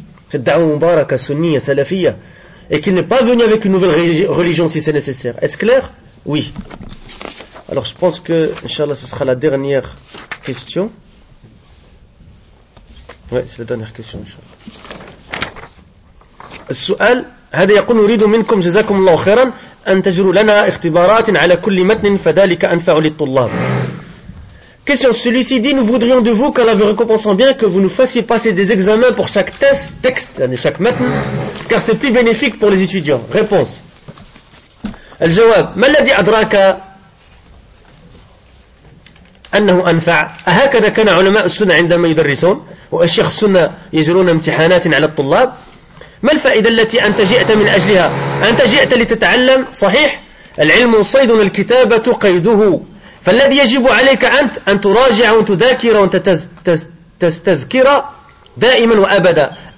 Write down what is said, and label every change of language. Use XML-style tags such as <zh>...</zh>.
<fr>Cette da'wah mubaraka sunniya salafiya. Et qu'il n'est pas venu avec une nouvelle religion si c'est nécessaire. Est-ce clair? Oui. Alors je pense que, Inch'Allah, ce sera la dernière question. Oui, c'est la dernière question, Inch'Allah.</fr> <ar>Sual, هذا يقول نريد منكم جزاكم الله خيرا أن تجروا لنا اختبارات على كل متن فذلك أنفع للطلاب.</ar> <fr>Question, celui-ci dit, nous voudrions de vous, qu'Allah vous récompense en bien, que vous nous fassiez passer des examens pour chaque texte, chaque matn, car c'est plus bénéfique pour les étudiants. Réponse.</fr> <ar>الجواب ما الذي أدراك أنه أنفع؟ أهكذا كان علماء السنة عندما يدرسون والشيخ السنة يجرون امتحانات على الطلاب؟ ما الفائدة التي أنت جئت من أجلها؟ أنت جئت لتتعلم صحيح؟ العلم صيد الكتابة قيده، فالذي يجب عليك أنت أن تراجع وتذاكر وتستذكر دائما وأبدا.</ar>